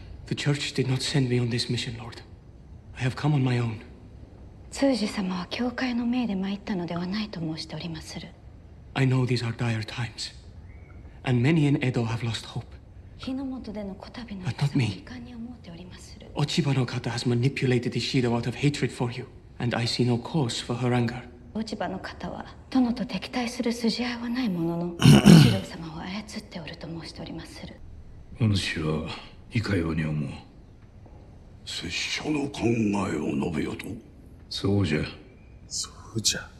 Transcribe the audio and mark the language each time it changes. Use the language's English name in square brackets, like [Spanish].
[English] The church did not send me on this mission, Lord. I have come on my own. [Japanese] 通事様は教会の命で参ったのではないと申しておりまする。 [English] I know these are dire times. And many in Edo have lost hope. [Japanese] 日の元での小旅の [English] But not me. 落ち葉の方 has manipulated Ishido out of hatred for you. And I see no cause for her anger. [Japanese] 落ち葉の方は殿と敵対する筋合いはないものの、シロ様を操っておると申しておりまする。お主はいかように思う。拙者の考えを述べよと。そうじゃ。そうじゃ。